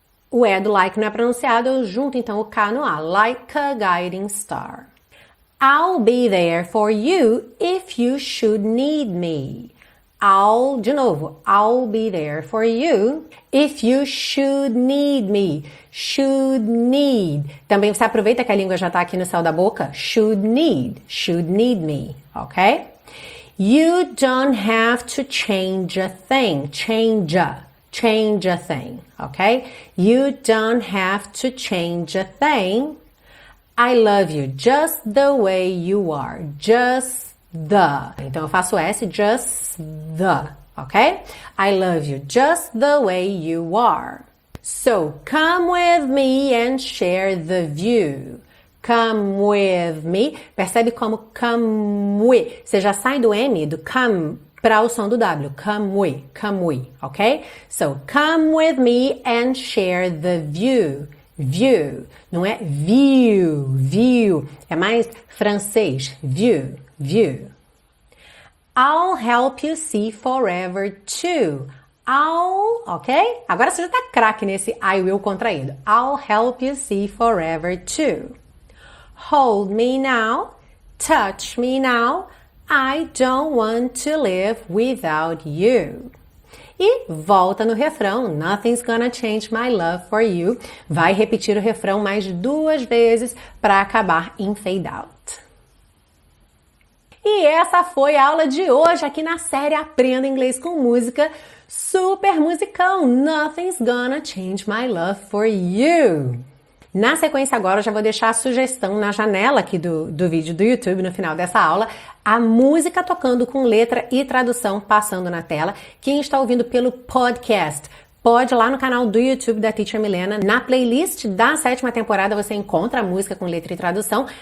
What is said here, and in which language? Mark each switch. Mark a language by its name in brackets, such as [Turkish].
[Portuguese] O E do like não é pronunciado, eu junto então o K no A. [English] Like a guiding star. I'll be there for you if you should need me. I'll be there for you if you should need me. Should need. [Portuguese] Também você aproveita que a língua já está aqui no céu da boca. [English] Should need me. Ok? You don't have to change a thing. Change a thing. Ok? You don't have to change a thing. I love you just the way you are. Just the. [Portuguese] Então eu faço S, [English] just the. [Portuguese] Ok? [English] I love you just the way you are. So come with me and share the view. Come with me. [Portuguese] Percebe como [English] come with. [Portuguese] Você já sai do M, do come, para o som do W. [English] Come with. Ok? So come with me and share the view. [Portuguese] View, não é view, é mais francês, view. [English] I'll help you see forever too. Ok? [Portuguese] Agora você já tá craque nesse I will contraído. [English] I'll help you see forever too. Hold me now, touch me now, I don't want to live without you. [Portuguese] E volta no refrão, [English] nothing's gonna change my love for you. [Portuguese] Vai repetir o refrão mais duas vezes para acabar em fade out. E essa foi a aula de hoje aqui na série Aprenda Inglês com Música. Super musicão, [English] nothing's gonna change my love for you. [Portuguese] Na sequência agora, eu já vou deixar a sugestão na janela aqui do vídeo do YouTube, no final dessa aula, a música tocando com letra e tradução passando na tela. Quem está ouvindo pelo podcast, pode ir lá no canal do YouTube da Teacher Milena. Na playlist da sétima temporada, você encontra a música com letra e tradução.